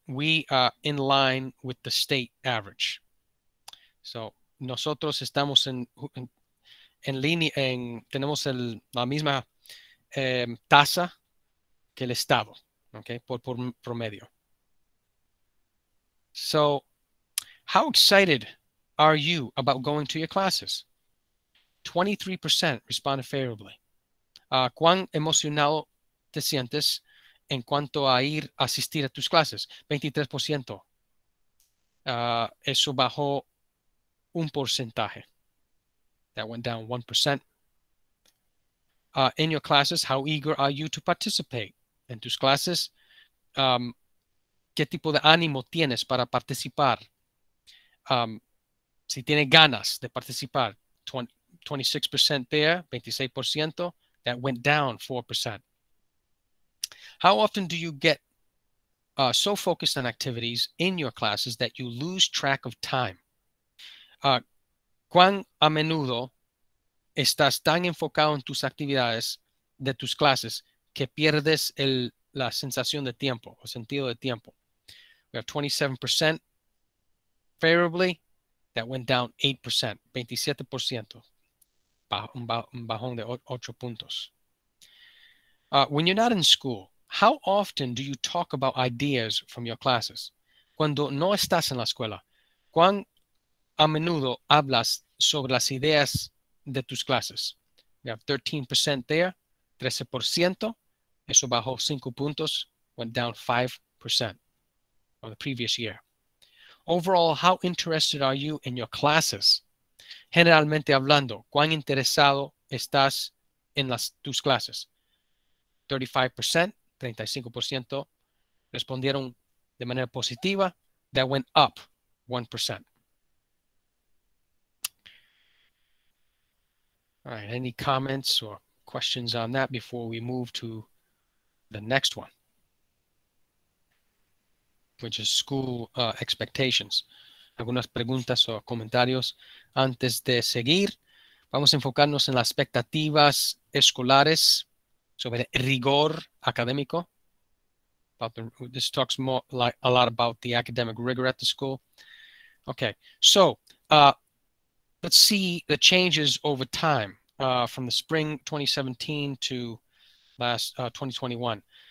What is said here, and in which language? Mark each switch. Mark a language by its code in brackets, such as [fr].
[en] We are in line with the state average. [es] So nosotros estamos en línea, en tenemos la misma tasa que el estado, okay, por promedio. [en] So how excited are you about going to your classes? 23% responded favorably. [es] ¿Cuán emocionado te sientes en cuanto a ir a asistir a tus clases? 23%. Eso bajó un porcentaje. [en] That went down 1%. In your classes, how eager are you to participate? [es] En tus clases, ¿qué tipo de ánimo tienes para participar? Si tienes ganas de participar, 26% [en] there, [es] 26%. [en] That went down 4%. How often do you get so focused on activities in your classes that you lose track of time? [es] ¿Cuán a menudo estás tan enfocado en tus actividades de tus clases que pierdes la sensación de tiempo, o sentido de tiempo? [en] We have 27% favorably. That went down 8%, 27%, [es] un bajón de 8 puntos. [en] When you're not in school, how often do you talk about ideas from your classes? [es] Cuando no estás en la escuela, ¿cuán a menudo hablas sobre las ideas de tus clases? [en] We have 13% there, 13%. [es] Eso bajó 5 puntos, [en] went down 5% from the previous year. Overall, how interested are you in your classes? [es] Generalmente hablando, ¿cuán interesado estás en tus clases? 35%, 35% respondieron de manera positiva. [en] That went up 1%. All right, any comments or questions on that before we move to the next one? Which is school expectations. [es] Algunas preguntas o comentarios antes de seguir. Vamos a enfocarnos en las expectativas escolares sobre rigor académico. [en] This talks more like a lot about the academic rigor at the school. Okay, so let's see the changes over time from the spring 2017 to last 2021.